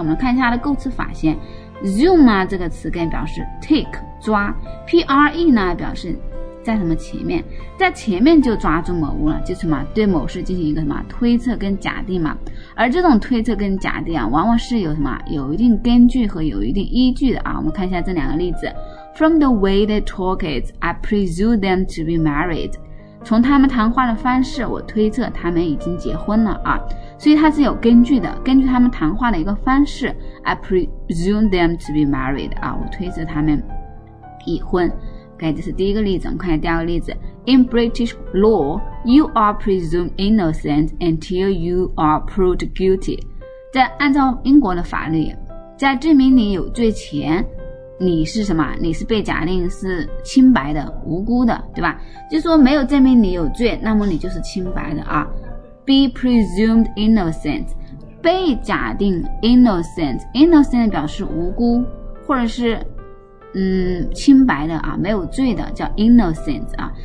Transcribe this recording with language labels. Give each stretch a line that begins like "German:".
Chinese: 我们来看一下它的构词法先。zoom 啊这个词根表示 take 抓 ，pre 呢表示在什么前面，在前面就抓住某物了，就是嘛对某事进行一个什么推测跟假定嘛。而这种推测跟假定啊，往往是有什么有一定根据和有一定依据的啊。我们看一下这两个例子。
English: From the way they talk it, I presume them to be married.
Chinese: 从他们谈话的方式，我推测他们已经结婚了啊。所以它是有根据的，根据他们谈话的一个方式，
English: I presume them to be married.
Chinese: 啊，我推测他们已婚。OK， 这是第一个例子，我们看一下第二个例子。
English: In British law, you are presumed innocent until you are proved guilty.
Chinese: 在按照英国的法律，在证明你有罪前，你是什么？你是被假定是清白的、无辜的，对吧？就说没有证明你有罪，那么你就是清白的啊。
English: Be presumed innocent，
Chinese: 被假定 innocent， innocent 表示无辜，或者是清白的啊，没有罪的，叫 innocent 啊。